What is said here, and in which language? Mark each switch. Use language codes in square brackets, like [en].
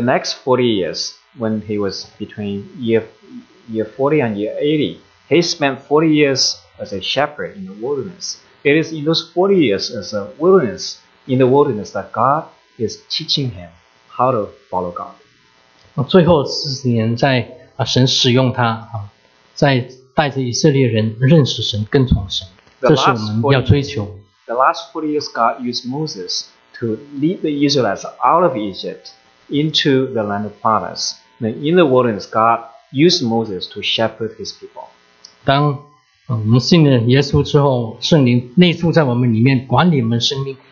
[en] next 40 years, when he was between year 40 and year 80, he spent 40 years as a shepherd in the wilderness. It is in those 40 years as a wilderness, in the wilderness, that God is teaching him how to follow God. [zh] 最后40年在神使用他，在 带着以色列人认识神，跟从神，这是我们要追求。 [en] The last 40 years, God used Moses to lead the Israelites out of Egypt into the land of promise. Then in the wilderness, God used Moses to shepherd His people. [zh] 当我们信了耶稣之后，圣灵内住在我们里面，管理我们生命，